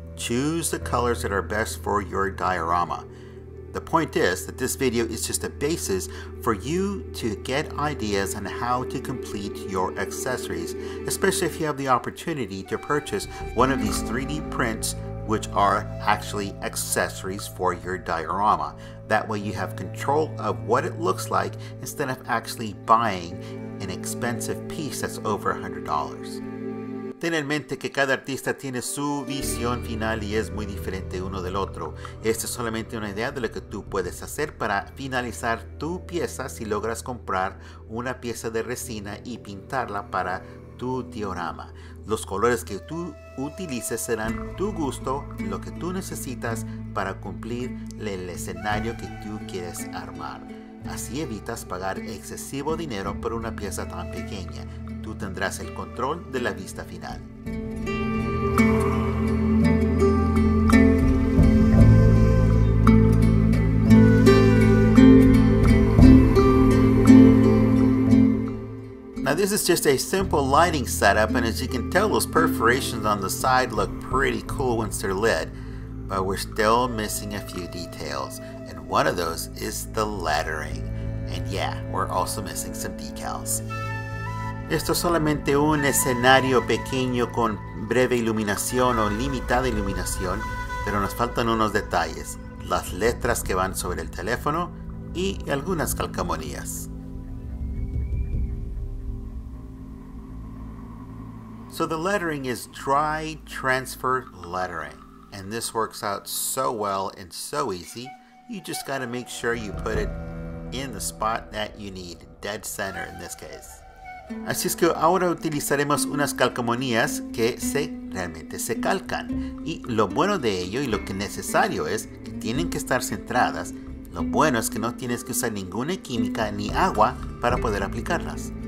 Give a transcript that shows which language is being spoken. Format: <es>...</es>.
<en>Choose the colors that are best for your diorama. The point is that this video is just a basis for you to get ideas on how to complete your accessories, especially if you have the opportunity to purchase one of these 3D prints, which are actually accessories for your diorama. That way you have control of what it looks like instead of actually buying an expensive piece that's over $100.</en> <es>Ten en mente que cada artista tiene su visión final y es muy diferente uno del otro. Esta es solamente una idea de lo que tú puedes hacer para finalizar tu pieza si logras comprar una pieza de resina y pintarla para tu diorama. Los colores que tú utilices serán tu gusto, lo que tú necesitas para cumplir el escenario que tú quieres armar. Así evitas pagar excesivo dinero por una pieza tan pequeña. Tú tendrás el control de la vista final.</es> <en>Now this is just a simple lighting setup, and as you can tell, those perforations on the side look pretty cool once they're lit, but we're still missing a few details, and one of those is the lettering. And yeah, we're also missing some decals.</en> <es>Esto es solamente un escenario pequeño con breve iluminación o limitada iluminación, pero nos faltan unos detalles, las letras que van sobre el teléfono y algunas calcomanías.</es> <en>So the lettering is dry transfer lettering, and this works out so well and so easy. You just gotta make sure you put it in the spot that you need, dead center in this case.</en> <es>Así es que ahora utilizaremos unas calcomanías que realmente se calcan. Y lo bueno de ello y lo que necesario es que tienen que estar centradas. Lo bueno es que no tienes que usar ninguna química ni agua para poder aplicarlas.</es>